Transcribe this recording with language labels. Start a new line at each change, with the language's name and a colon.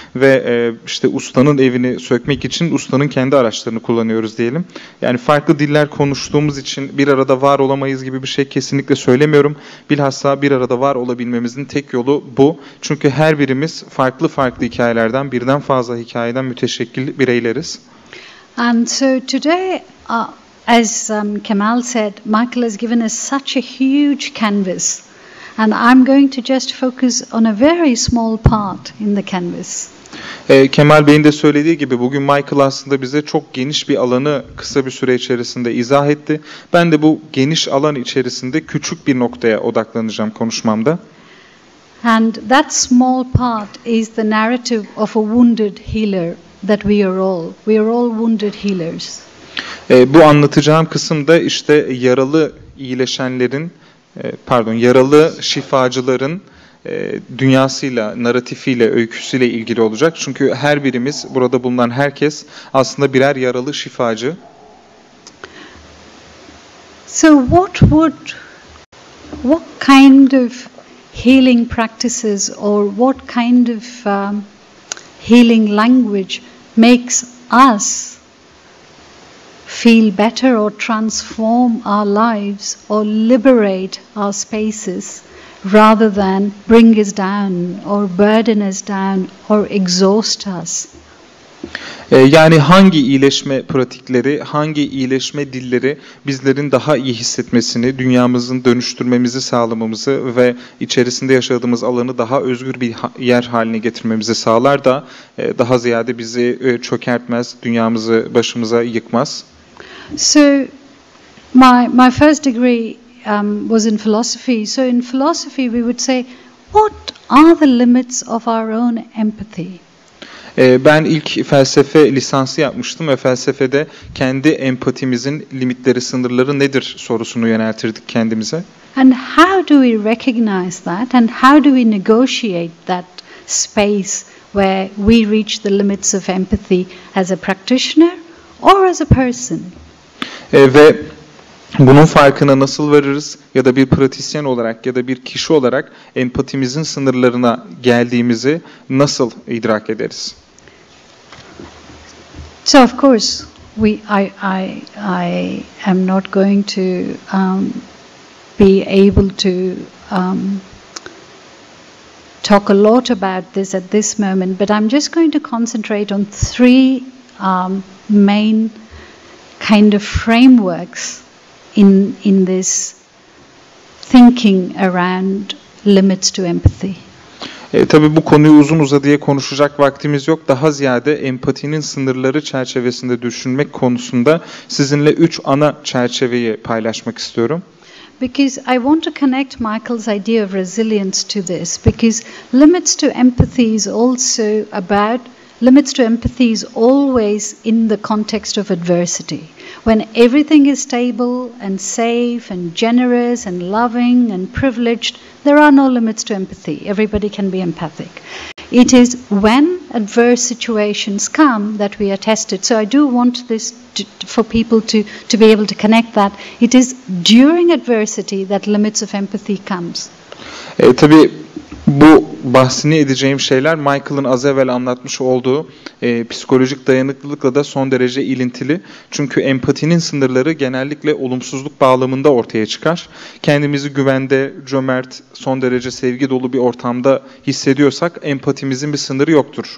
Turkish: Ve işte ustanın evini sökmek için ustanın kendi araçlarını kullanıyoruz diyelim. Yani farklı diller konuştuğumuz için bir arada var olamayız gibi bir şey kesinlikle söylemiyorum. Bilhassa bir arada var olabilmemizin tek yolu bu. Çünkü her birimiz farklı farklı hikayelerden, birden fazla hikayeden müteşekkil bireyleriz.
English: And so today, as Kemal said, Michael has given us such a huge canvas, and I'm going to just focus on a very small part in the canvas.
Turkish: Kemal Bey'in de söylediği gibi bugün Michael aslında bize çok geniş bir alanı kısa bir süre içerisinde izah etti. Ben de bu geniş alan içerisinde küçük bir noktaya odaklanacağım konuşmamda.
English: And that small part is the narrative of a wounded healer. That we are all wounded healers.
Turkish: Bu anlatacağım kısım da işte yaralı iyileşenlerin, yaralı şifacıların dünyasıyla, naratifiyle, öyküsüyle ilgili olacak. Çünkü her birimiz, burada bulunan herkes aslında birer yaralı şifacı.
English: So what kind of healing practices or what kind of healing language makes us feel better or transform our lives or liberate our spaces rather than bring us down or burden us down or exhaust us.
Turkish: Yani hangi iyileşme pratikleri, hangi iyileşme dilleri bizlerin daha iyi hissetmesini, dünyamızın dönüştürmemizi sağlamamızı ve içerisinde yaşadığımız alanı daha özgür bir yer haline getirmemizi sağlar da daha ziyade bizi çökertmez, dünyamızı başımıza yıkmaz.
English: So my first degree was in philosophy. So in philosophy we would say, what are the limits of our own empathy?
Turkish: Ben ilk felsefe lisansı yapmıştım ve felsefede kendi empatimizin limitleri, sınırları nedir sorusunu yöneltirdik kendimize.
English: And how do we recognize that and how do we negotiate that space where we reach the limits of empathy as a practitioner or as a person?
Turkish: Ve bunun farkına nasıl varırız ya da bir pratisyen olarak ya da bir kişi olarak empatimizin sınırlarına geldiğimizi nasıl idrak ederiz?
English: So of course I am not going to be able to talk a lot about this at this moment, but I'm just going to concentrate on three main kind of frameworks in this thinking around limits to empathy.
Turkish: Tabii bu konuyu uzun uzadıya konuşacak vaktimiz yok. Daha ziyade empatinin sınırları çerçevesinde düşünmek konusunda sizinle üç ana çerçeveyi paylaşmak istiyorum.
English: Because I want to connect Michael's idea of resilience to this. Because limits to empathy is also about limits to empathy is always in the context of adversity. When everything is stable and safe and generous and loving and privileged, there are no limits to empathy. Everybody can be empathic. It is when adverse situations come that we are tested. So I do want this for people to be able to connect that. It is during adversity that limits of empathy comes.
Turkish: Tabii bu bahsini edeceğim şeyler Michael'ın az evvel anlatmış olduğu psikolojik dayanıklılıkla da son derece ilintili. Çünkü empatinin sınırları genellikle olumsuzluk bağlamında ortaya çıkar. Kendimizi güvende, cömert, son derece sevgi dolu bir ortamda hissediyorsak empatimizin bir sınırı yoktur.